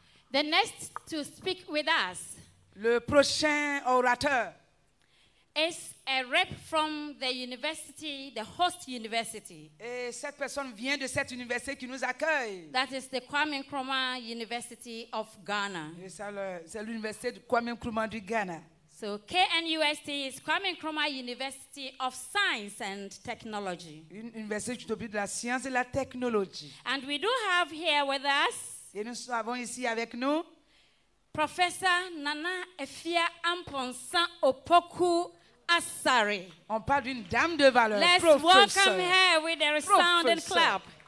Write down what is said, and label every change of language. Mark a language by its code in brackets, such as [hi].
[en] The next to speak with us, [fr] le prochain orateur, [en] is a rep from the university, the host university. [fr] Et cette personne vient de cette université qui nous accueille. [en] That is the Kwame Nkrumah University of Ghana. [fr] Et ça, c'est l'université de Kwame Nkrumah du Ghana. [en] So KNUST is Kwame Nkrumah University of Science and Technology. [fr] Une université de la science et la technologie. [en] And we do have here with us. [fr] Et nous avons ici avec nous [en] Professor Nana Efia Amponsan Opoku Asare. [fr] On parle d'une dame de valeur. [en] Let's professor. Welcome her with a resounding clap.